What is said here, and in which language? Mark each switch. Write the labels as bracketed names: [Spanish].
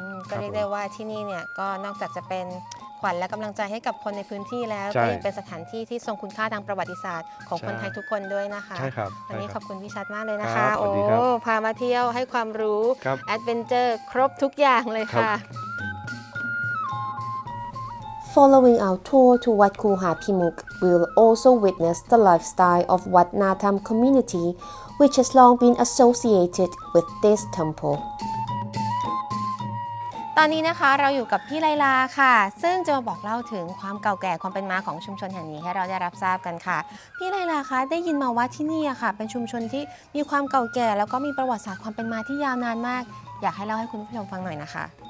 [Thai] ก็เรียกได้ว่าที่นี่เนี่ยก็นอกจากจะเป็นขวัญและกำลังใจให้กับคนในพื้นที่แล้วก็ยังเป็นสถานที่ที่ทรงคุณค่าทางประวัติศาสตร์ของคนไทยทุกคนด้วยนะคะ ใช่ครับ วันนี้ขอบคุณพี่ชัดมากเลยนะคะ โอ้ พามาเที่ยวให้ความรู้ แอดเวนเจอร์ครบทุกอย่างเลยค่ะ [English] Following our tour to Wat Khu Haphimok we'll also witness the lifestyle of Wat Na Tham community which has long been associated with this temple [Thai] ตอนนี้นะคะเราอยู่กับพี่ไลลาค่ะซึ่งจะมาบอกเล่าถึงความเก่าแก่ความเป็นมาของชุมชนแห่งนี้ให้เราได้รับทราบกันค่ะพี่ไลลาคะได้ยินมาว่าที่นี่อะค่ะเป็นชุมชนที่มีความเก่าแก่แล้วก็มีประวัติศาสตร์ความเป็นมาที่ยาวนานมากอยากให้เล่าให้คุณผู้ชมฟังหน่อยนะคะ